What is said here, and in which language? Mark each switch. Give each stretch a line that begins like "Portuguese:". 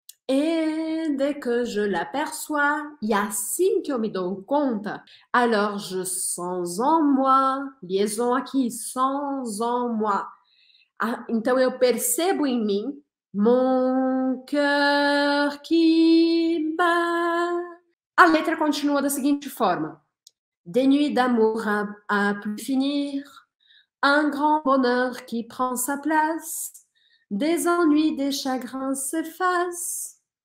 French: Et dès que je l'aperçois,
Portuguese: e assim que eu me dou conta,
French: alors je sens en moi, liaison
Portuguese: aqui,
French: sens en moi.
Portuguese: Ah, então eu percebo em mim,
French: mon cœur qui bat.
Portuguese: A letra continua da seguinte forma.
French: Des nuits d'amour à plus finir, un grand bonheur qui prend sa place, des ennuis, des chagrins s'effacent.